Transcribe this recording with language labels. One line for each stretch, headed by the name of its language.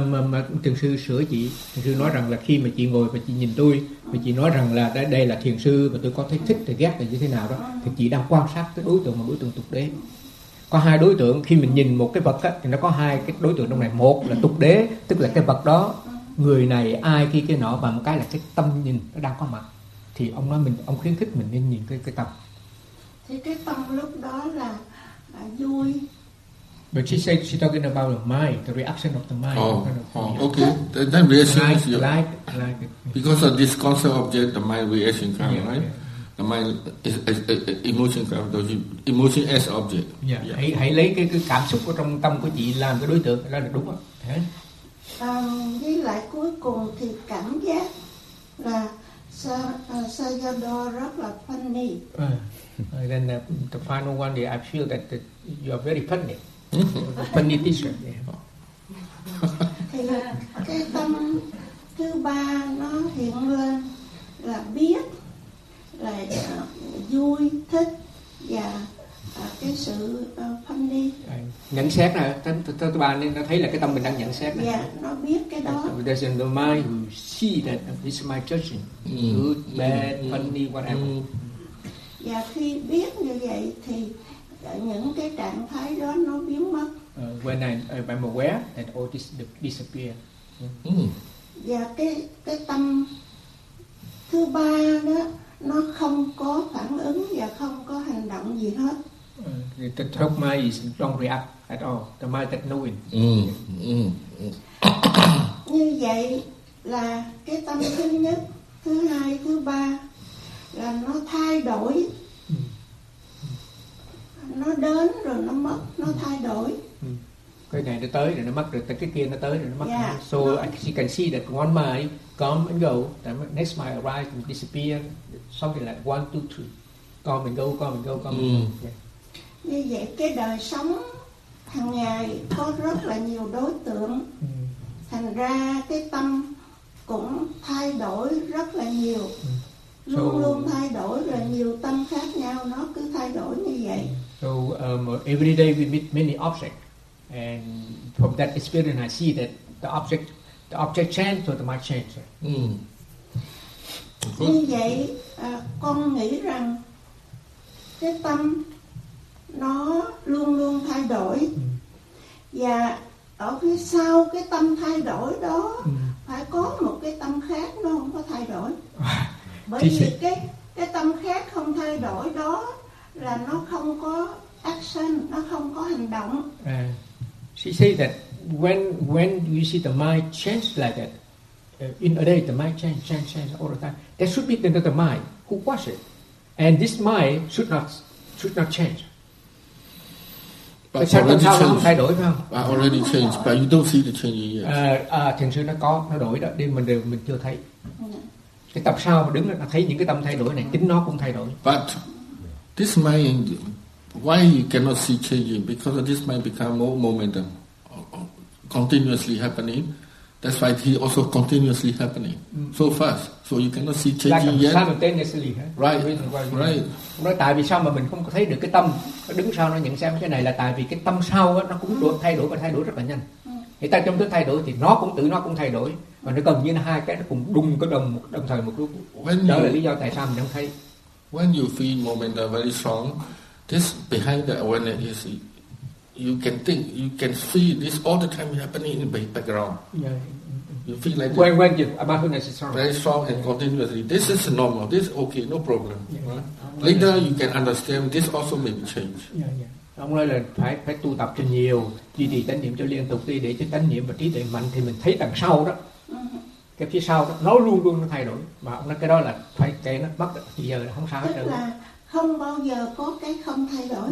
Vietnamese: Mà thiền sư sửa chị, thiền sư nói rằng là khi mà chị ngồi và chị nhìn tôi và chị nói rằng là đây là thiền sư và tôi có thấy thích thì ghét là như thế nào đó, thì chị đang quan sát cái đối tượng mà đối tượng tục đế. Có hai đối tượng khi mình nhìn một cái vật á, thì nó có hai cái đối tượng trong này. Một là tục đế, tức là cái vật đó, người này, ai, khi cái nọ, và một cái là cái tâm nhìn nó đang có mặt. Thì ông nói mình, ông khuyến khích mình nên nhìn cái tâm. Thì cái tâm lúc đó là vui.
English: But she said she's talking about the mind, the reaction of the mind. Okay. Then reaction like because of this concept object, the mind reaction comes, right? Yeah. My emotion, emotion as object. Yeah. Yeah.
Vietnamese: Hãy lấy cái cảm xúc của trong tâm của chị làm cái đối tượng, đó là đúng không? Thế. Với lại cuối cùng thì cảm giác là Sayadaw rất là funny.
English: Then the final one, I feel that you are very funny. Funny teacher. Yeah.
Vietnamese: Cái tâm thứ ba nó hiện lên là biết, là vui, thích và cái sự funny. Nhận xét nè, thứ ba nên nó thấy là cái tâm mình đang nhận xét nè. Yeah, nó biết cái đó.
English: There's in the mind who see that this is my judging. Good, bad, funny, whatever.
Vietnamese: Và khi biết như vậy thì những cái trạng thái đó nó biến mất.
English: When I'm aware that all this disappear. Yeah.
Vietnamese: Và cái tâm thứ ba đó nó không có phản ứng và không có hành động gì hết.
English: The third mind is don't react at all. The mind that knowing.
Vietnamese: Như vậy là cái tâm thứ nhất, thứ hai, thứ ba là nó thay đổi. Nó đến rồi nó mất, nó thay đổi. Cái này nó tới rồi nó mất, rồi cái kia nó tới rồi nó mất.
English: Yeah. So no. I can see that one mind come and go, the next mind arrives and disappears, something like 1, 2, 3. Come and go, come and go, come and go.
Vietnamese: Như vậy cái đời sống hàng ngày có rất là nhiều đối tượng, thành ra cái tâm cũng thay đổi rất là nhiều, luôn luôn thay đổi, rồi nhiều tâm khác nhau nó cứ thay đổi như vậy.
English: So every day we meet many objects, and from that experience I see that the object change, so the mind change.
Vietnamese: Như vậy con nghĩ rằng cái tâm nó luôn luôn thay đổi. Và ở phía sau cái tâm thay đổi đó phải có một cái tâm khác, nó không có thay đổi. Bởi vì cái tâm khác không thay đổi đó là nó không có action, nó không có hành động.
English: She say that when you see the mind change like that, in a day the mind change all the time, there should be another mind who watch it, and this mind should not change. But already changed. But you don't see the change yet.
Vietnamese: Thiền sư nó có, nó đổi đó. Đêm mình chưa thấy. Cái tập sau đứng là thấy những cái tâm thay đổi này, chính nó cũng thay đổi.
English: But this mind, why you cannot see changing? Because of this mind become more momentum, continuously happening. That's why he also continuously happening so fast. So you cannot see changing yet. Simultaneously, right.
Vietnamese: Tại vì sao mà mình không có thấy được cái tâm đứng sau nó nhận xem cái này, là tại vì cái tâm sau nó cũng được thay đổi và thay đổi rất là nhanh. Thì ta trong cái thay đổi thì nó cũng tự nó cũng thay đổi, và nó gần như là hai cái nó cùng đùng cái đồng thời một lúc. Đó là lý do tại sao mình không thấy.
English: When you feel momentum very strong, this behind the awareness is you can think, you can see this all the time happening in the background. Yeah. You feel like when you awareness is strong. Very strong and continuously. This is normal. This is okay, no problem. Yeah. Right? Later you can understand this also may be changed.
Vietnamese: Yeah, yeah. Ông nói là phải tu tập cho nhiều, duy trì chánh niệm cho liên tục đi, để cho chánh niệm và trí tuệ mạnh thì mình thấy đằng sau đó. Cái phía sau đó, nó luôn luôn nó thay đổi. Mà ông nói cái đó là phải kể nó mất giờ là không sao hết trơn. Không bao giờ có cái không thay đổi.